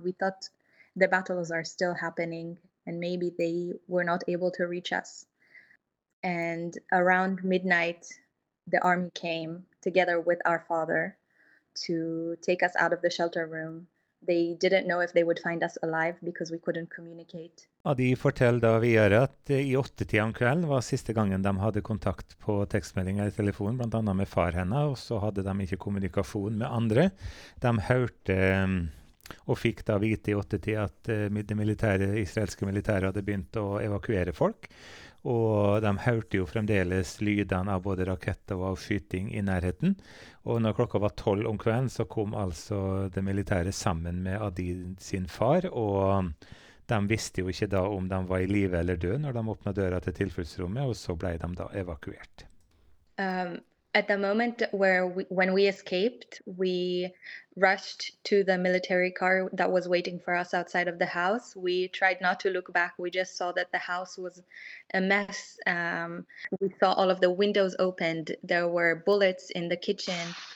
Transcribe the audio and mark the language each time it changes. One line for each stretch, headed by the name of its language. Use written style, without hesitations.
English: We thought the battles are still happening and maybe they were not able to reach us. And around midnight, the army came together with our father to take us out of the shelter room. They didn't know if they would find us alive because we couldn't communicate.
Norwegian: Adi fortell da videre at i 8-tida om kvelden var siste gangen de hadde kontakt på tekstmeldinger i telefon, blant annet med far henne, og så hadde de ikke kommunikasjon med andre. De hørte og fikk da vite i 8-tida at det israelske militæret hadde begynt å evakuere folk. Og de hørte jo fremdeles lydene av både raketter og av skyting i nærheten. Og når klokka var 12 om kvelden, så kom altså det militære sammen med Adi sin far, og de visste jo ikke da om de var i live eller død når de åpnet døra til tilfluktsrommet, og så ble de da evakuert.
English: At the moment where when we escaped, we rushed to the military car that was waiting for us outside of the house. We tried not to look back. We just saw that the house was a mess. We saw all of the windows opened. There were bullets in the kitchen.